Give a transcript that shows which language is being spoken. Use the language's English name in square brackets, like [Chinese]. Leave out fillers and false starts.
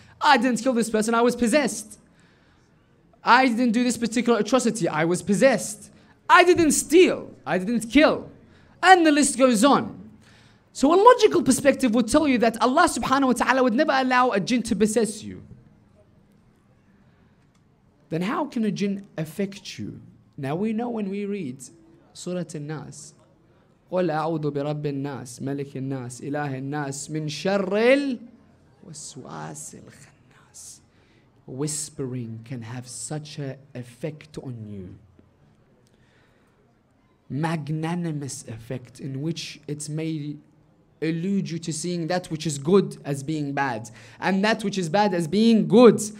[English] I didn't kill this person, I was possessed. I didn't do this particular atrocity, I was possessed. I didn't steal, I didn't kill. And the list goes on. So a logical perspective would tell you that Allah subhanahu wa ta'ala would never allow a jinn to possess you. Then how can a jinn affect you? Now we know when we read Surah An-Nas, [Arabic] قُلْ أَعُوذُ بِرَبِّ النَّاسِ مَلِكِ النَّاسِ إِلَهِ النَّاسِ مِنْ شَرِّ الْوَسْوَاسِ الْخَنَّاسِ. [English] Whispering can have such an effect on you. Magnanimous effect in which it may elude you to seeing that which is good as being bad and that which is bad as being good.